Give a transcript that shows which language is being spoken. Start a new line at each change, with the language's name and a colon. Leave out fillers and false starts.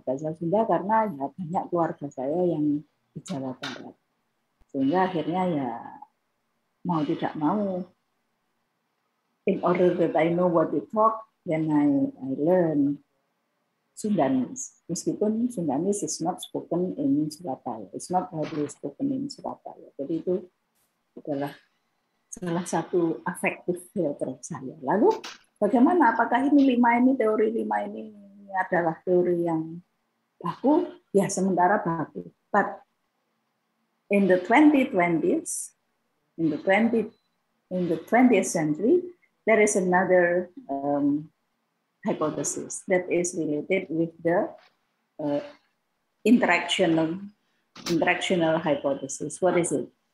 Indonesian: Bahasa Sunda karena ya banyak keluarga saya yang di Jawa Barat. Sehingga akhirnya ya mau tidak mau.
English: In order that I know what they talk, then I learn Sundanese.
Indonesian: Meskipun
English: Sundanese is not spoken in Surabaya. It's not widely spoken in Surabaya.
Indonesian: Jadi itu adalah salah satu affective filter saya. Lalu bagaimana? Apakah ini teori lima ini adalah teori yang baku? Ya, sementara baku.
English: But in the 2020s, in the 20th century, there is another hypothesis that is related with the interactional hypothesis. What is it?